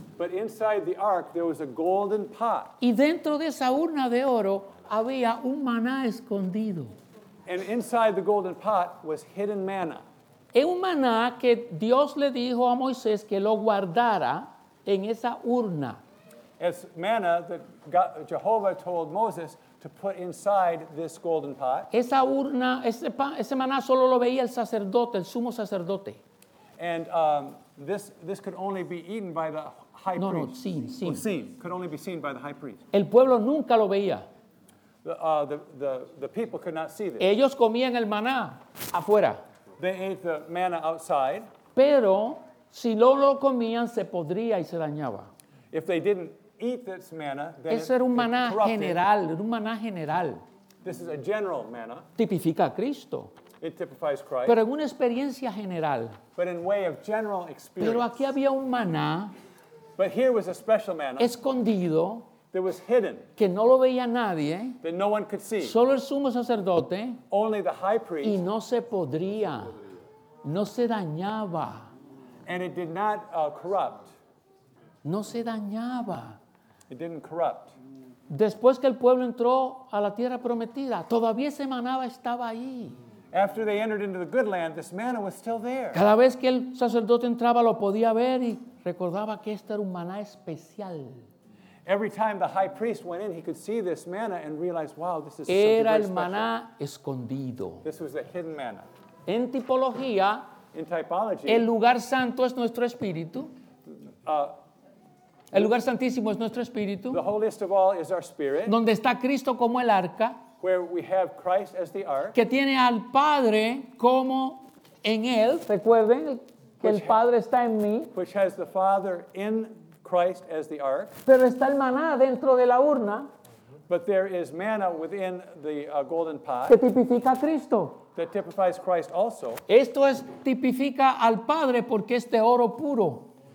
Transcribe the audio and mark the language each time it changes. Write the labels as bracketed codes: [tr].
[en] But inside the ark there was a golden pot. [es] Y dentro de esa urna de oro había un maná escondido. [en] And inside the golden pot was hidden manna. [es] Es un maná que Dios le dijo a Moisés que lo guardara en esa urna. [en] It's manna that Jehovah told Moses to put inside this golden pot. [es] Esa urna, ese maná solo lo veía el sacerdote, el sumo sacerdote. [en] And this could only be eaten by the high priest. Seen. Could only be seen by the high priest. [es] El pueblo nunca lo veía. [en] The people could not see this. [es] Ellos comían el maná afuera. [en] They ate the manna outside. [es] Pero si no lo comían, se podría y se dañaba. [en] If they didn't eat this manna, then [es] eso era un maná general, era un maná general. [en] This is a general manna. [es] Tipifica a Cristo. [en] It typifies Christ. [es] Pero en una experiencia general. [en] But in way of general experience. [es] Pero aquí había un maná. [en] But here was a special manna. [es] Escondido. [en] That was hidden. [es] Que no lo veía nadie. [en] That no one could see. [es] Solo el sumo sacerdote. [en] Only the high priest. [es] Y no se podría. No se dañaba. [en] And it did not corrupt. [es] No se dañaba. [en] It didn't corrupt. [es] Después que el pueblo entró a la tierra prometida, todavía ese maná estaba ahí. [en] After they entered into the good land, this manna was still there. [es] Cada vez que el sacerdote entraba, lo podía ver y recordaba que este era un maná especial. [en] Every time the high priest went in, he could see this manna and realize, wow, this is [es] era [en] something very special. [es] Era el maná escondido. [en] This was the hidden manna. [es] En tipología, [en] in typology, [es] el lugar santo es nuestro espíritu. El lugar santísimo es nuestro espíritu. [en] The holiest of all is our spirit. [es] Donde está Cristo como el arca. [en] Where we have Christ as the ark. [es] Que tiene al Padre como en él. Recuerden que el Padre está en mí. [en] Which has the Father in Christ as the ark. [es] Pero está el maná dentro de la urna. [en] But there is manna within the golden pot. [es] Que tipifica a Cristo. [en] That typifies Christ also. [es] Esto es tipifica al Padre porque es de oro puro.